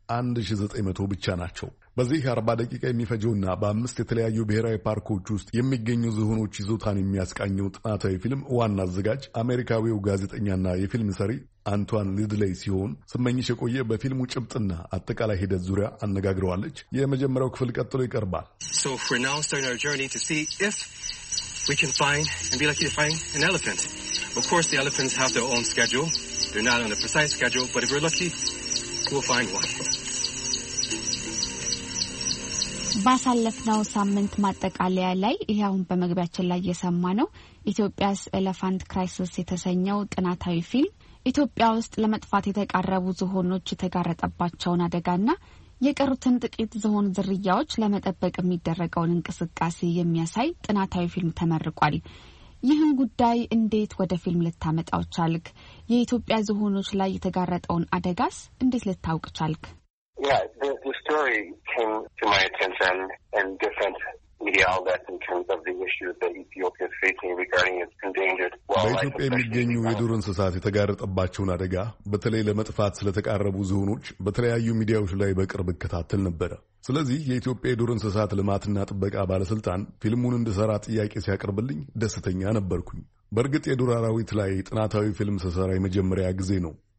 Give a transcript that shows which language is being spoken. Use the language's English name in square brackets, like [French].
[Amharic] 1900 ብቻ ናቸው። በዚህ 40 ደቂቃ የሚፈጀውና በአምስት የተለያዩ ብሔራዊ ፓርኮች ውስጥ የሚገኙ ዝሆኖች ይዞታን የሚያስቃኘው ጥናታዊ ፊልም ዋና አዘጋጅ አሜሪካዊው ጋዜጠኛና የፊልም ሰሪ አንቷን ሊድሌይ ሲሆን ስመኝሽ የቆየ በፊልሙ ጭብጥና አጠቃላይ ሂደት ዙሪያ አነጋግረዋለች። የመጀመሪያው ክፍል ቀጥሎ ይቀርባል። [English] So for now starting our journey to see if we can find and be lucky to find an elephant. Of course the elephants have their own schedule. They're not on a precise schedule, but if we're lucky we'll find one. [Amharic] ባሳለፍነው ሳምንት ማጠቃለያ ላይ ይሄውን በመግቢያችን ላይ የሰማነው ኢትዮጵያስ ኤሌፋንት ክራይሲስ የተሰኘው ጥናታዊ ፊልም ኢትዮጵያ ውስጥ ለመጥፋት የተቃረቡ ዝሆኖች የተጋረጠባቸውን አደጋና የቀሩትን ጥቂት ዝሆን ዝርያዎች ለመጠበቅ የሚደረገውን እንቅስቃሴ የሚያሳይ ጥናታዊ ፊልም ተመርቋል። ይህን ጉዳይ እንዴት ወደ ፊልም ልታመጣው ቻልክ? የኢትዮጵያ ዝሆኖች ላይ የተጋረጠውን አደጋስ እንዴት ልታውቅ ቻልክ? [English] Yeah, the story came to my attention in different media outlets in terms of the issues that Ethiopia is facing regarding its endangered wildlife. [Amharic] በኢትዮጵያ የሚገኙ የዱር እንስሳት የተጋረጠባቸውን አደጋ በተለይ ለመጥፋት ስለተቃረቡ ዝሆኖች በተለያዩ ሚዲያዎች ላይ በቅርብ እከታተል ነበር። ስለዚህ የኢትዮጵያ የዱር እንስሳት ልማትና ጥበቃ ባለስልጣን ፊልሙን እንድሰራ ጥያቄ ሲያቀርብልኝ ደስተኛ ነበርኩኝ። በርግጥ የዱር አራዊት ላይ ጥናታዊ ፊልም ሰራ የመጀመሪያ ጊዜ ነው።